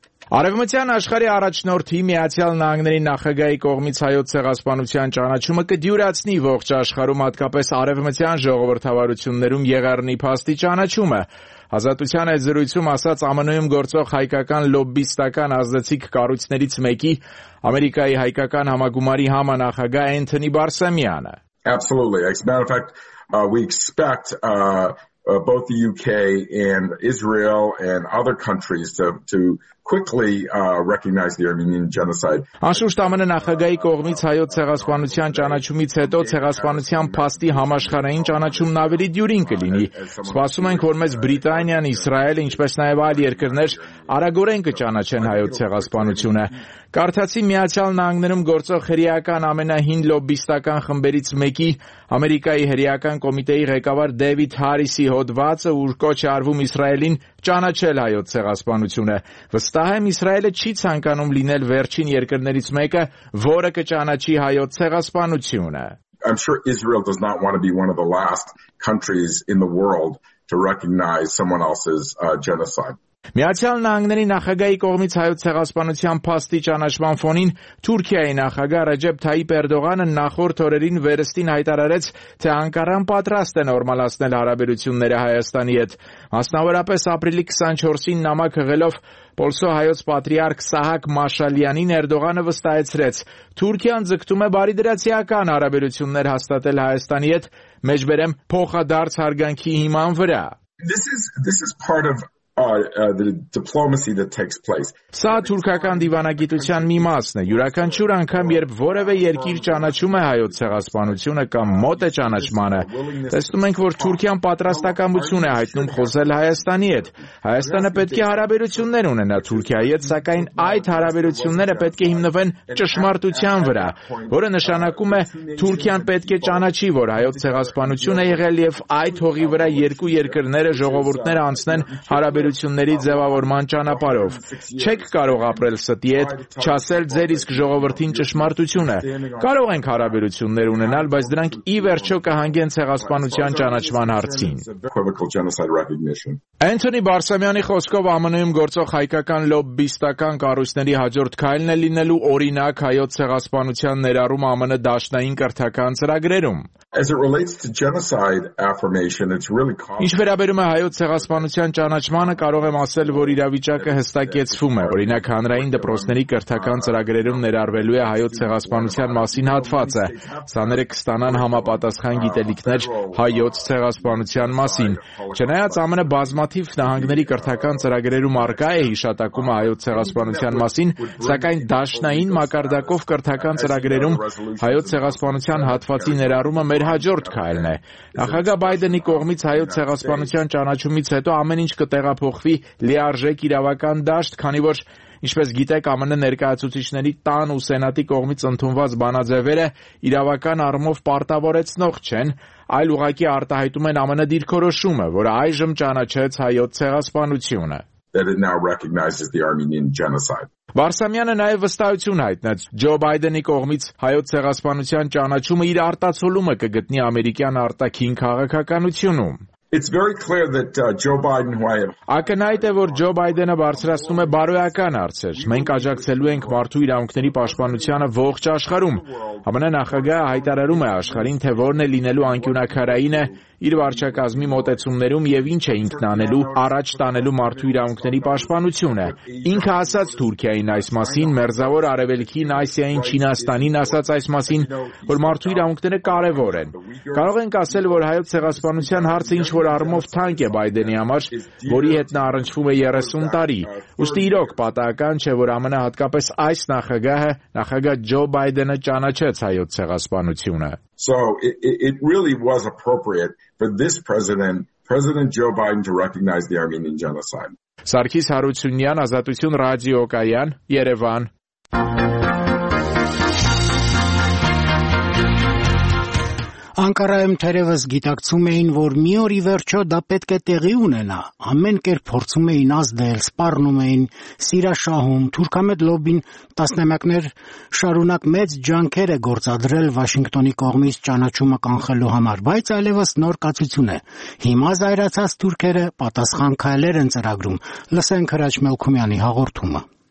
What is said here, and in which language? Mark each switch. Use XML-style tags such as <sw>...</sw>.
<hy>Արևմտյան աշխարհի առաջնորդի Միացյալ Նահանգների նախագահի կողմից հայոց ցեղասպանության ճանաչումը կդյուրացնի ողջ աշխարհում, հատկապես արևմտյան ժողովրդավարություններում եղեռնի փաստի ճանաչումը։ Ազատության այդ զրույցում ասաց ԱՄՆ-ում գործող հայկական լոբբիստական ազդեցիկ կառույցներից մեկի Ամերիկայի հայկական համագումարի համանախագահ Էնթոնի Բարսեմյանը։</hy> <en>Absolutely. As a matter of fact, we expect both the UK and Israel and other countries to quickly recognize the Armenian genocide.</en> <hy>Անշուշտ ԱՄՆ նախագահի կողմից հայոց ցեղասպանության ճանաչումից հետո ցեղասպանության փաստի համաշխարհային ճանաչումն ավելի դյուրին կլինի։ Սպասում ենք, որ մեզ Բրիտանիան, Իսրայելը, ինչպես նաև այլ երկրներ արագորեն կճանաչեն հայոց ցեղասպանությունը։ Կարդացի Միացյալ Նահանգներում գործող հրեական ամենահին լոբբիստական խմբերից մեկի Ամերիկայի հրեական կոմիտեի ղեկավար Դեվիդ Հարիսի հոդվածը, ուր կոչ է արվում Իսրայելին ճանաչել հայոց ցեղասպանությունը։ Վստահ եմ, Իսրայելը չի ցանկանում լինել վերջին երկրներից մեկը, որը կճանաչի հայոց ցեղասպանությունը։</hy> <en>I'm sure Israel does not want to be one of the last countries in the world to recognize someone else's genocide.</en> <hy>Միացյալ Նահանգների նախագահի կողմից հայոց ցեղասպանության փաստի ճանաչման ֆոնին Թուրքիայի նախագահ Ռեջեփ Թայիփ Էրդողանը նախորդ օրերին վերստին հայտարարեց, թե Անկարան պատրաստ է նորմալացնել հարաբերությունները Հայաստանի հետ։ Մասնավորապես ապրիլի 24-ին նամակ հղելով Պոլսո հայոց պատրիարք Սահակ Մաշալյանին Էրդողանը վստահեցրեց, Թուրքիան ձգտում է բարիդրացիական հարաբերություններ հաստատել Հայաստանի հետ մեջբերեմ փոխադարձ հարգանքի հիման վրա։</hy> <en>The diplomacy that takes place.</en> <hy>Սա թուրքական դիվանագիտության մի մասն է։ Յուրաքանչյուր անգամ, երբ որևէ երկիր ճանաչում է հայոց ցեղասպանությունը կամ մոտ է ճանաչմանը, տեսնում ենք, որ Թուրքիան պատրաստակամություն է հայտնում խոսել Հայաստանի հետ։ Հայաստանը պետք է հարաբերություններ ունենա Թուրքիայի հետ, սակայն այդ հարաբերությունները պետք է հիմնվեն ճշմարտության վրա, որը նշանակում է, Թուրքիան պետք է ճանաչի, որ հայոց ցեղասպանությունը եղել եւ այդ հողի վրա երկու երկրները ժողովուրդներ անցնեն հարաբերությունների ձևավորման ճանապարով։ Չեք կարող ապրել ստի հետ, չասել ձեր իսկ ժողովրդին ճշմարտությունը։ Կարող ենք հարաբերություններ ունենալ, բայց դրանք ի վերջո կհանգեն ցեղասպանության ճանաչման հարցին։ Էնթոնի Բարսեմյանի խոսքով ԱՄՆ-ում գործող հայկական լոբբիստական կառույցների հաջորդ քայլն է լինելու օրինակ հայոց ցեղասպանության ներառում ԱՄՆ դաշնային կրթական ծրագրերում։</hy> <en>As it relates to genocide affirmation, it's really common.</en> <hy>Ինչ վերաբերում է հայոց ցեղասպանության ճանաչմանը, կարող եմ ասել, որ իրավիճակը հստակեցվում է։ Օրինակ, հանրային դպրոցների կրթական ծրագրերում ներառվելու է հայոց ցեղասպանության մասին հատվածը։ Սաները կստանան համապատասխան գիտելիքներ հայոց ցեղասպանության մասին։ Չնայած ԱՄՆ բազմաթիվ նահանգների կրթական ծրագրերում առկա է հիշատակում հայոց ցեղասպանության մասին, սակայն դաշնային մակարդակով կրթական ծրագրերում հայոց ցեղասպանության հատվածի ներառումը մեր հաջորդ քայլն է։ Նախագահ Բայդենի կողմից հայոց ցեղասպանության ճանաչումից հետո ամեն ինչ կտեղափոխվի լիարժեք իրավական դաշտ, քանի որ, ինչպես գիտեք, ԱՄՆ ներկայացուցիչների տան ու սենատի կողմից ընդունված բանաձևերը իրավական առումով պարտավորեցնող չեն, այլ ուղղակի արտահայտում են ԱՄՆ դիրքորոշումը, որը այժմ ճանաչեց հայոց ցեղասպանությունը։</hy> <en>That it now recognizes the Armenian genocide.</en> <hy>Բարսամյանը նաև վստահություն հայտնեց, Ջո Բայդենի կողմից հայոց ցեղասպանության ճանաչումը իր արտացոլումը կգտնի ամերիկյան արտաքին քաղաքականությունում։</hy> <en>It's very clear that Joe Biden who I am.</en> <hy>Ակնհայտ է, որ Ջո Բայդենը բարձրացնում է բարոյական արձեր։ Մենք աջակցելու ենք մարդու իրավունքների պաշտպանությանը ողջ աշխարհում։ ԱՄՆ նախագահը հայտարարում է աշխարհին, թե որն է լինելու անկյունաքարայինը իր վարչակազմի մոտեցումներում եւ ինչ է ինքն անելու առաջ տանելու մարդու իրավունքների պաշտպանությունը։ Ինքը ասաց Թուրքիային այս մասին, մերզավոր արևելքին, Ասիային, Չինաստանին ասաց այս մասին, որ մարդու իրավունքները կարևոր են։ Կարող ենք ասել, որ հայոց ցեղասպանության հարցը ինչ որ արմով թանկ է Բայդենի համար, որի հետ նա առնչվում է 30 տարի։ Ուստի իրոք պատահական չէ, որ ԱՄՆ հատկապես այս նախագահը, նախագահ Ջո Բայդենը ճանաչեց հայոց ցեղասպանությունը։</hy> <en>So it really was appropriate for this President Joe Biden to recognize the Armenian genocide.</en> <hy>Սարգիս Հարությունյան, Ազատություն Ռադիո Կայան, Երևան։ Անկարայում թերևս գիտակցում էին, որ մի օր ի վերջո դա պետք է տեղի ունենա։ Ամեն կերպ փորձում էին ազդել, սպառնում էին, Սիրաշահում, Թուրքամետ լոբին տասնամյակներ շարունակ մեծ ջանքեր է գործադրել Վաշինգտոնի կողմից ճանաչումը կանխելու համար, բայց այլևս նոր կացություն է։ Հիմա զայրացած թուրքերը պատասխան քայլեր են ծրագրում։ Լսենք Հրաչ Մելքումյանի հաղորդումը։</hy>